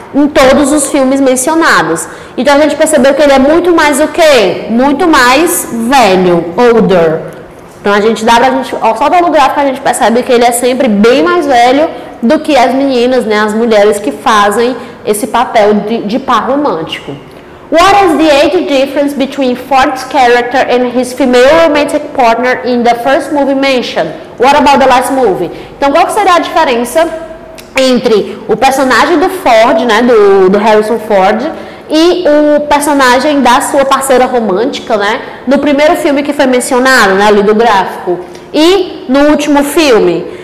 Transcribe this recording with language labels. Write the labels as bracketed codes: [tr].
[pt] Em todos os filmes mencionados. Então, a gente percebeu que ele é muito mais o quê? Muito mais velho, older. Então, só pelo gráfico a gente percebe que ele é sempre bem mais velho do que as meninas, né? As mulheres que fazem esse papel de par romântico. [en] What is the age difference between Ford's character and his female romantic partner in the first movie mentioned? What about the last movie? [pt] Então, qual seria a diferença entre o personagem do Ford, né, do Harrison Ford, e o personagem da sua parceira romântica, né, no primeiro filme que foi mencionado, né, ali do gráfico, e no último filme.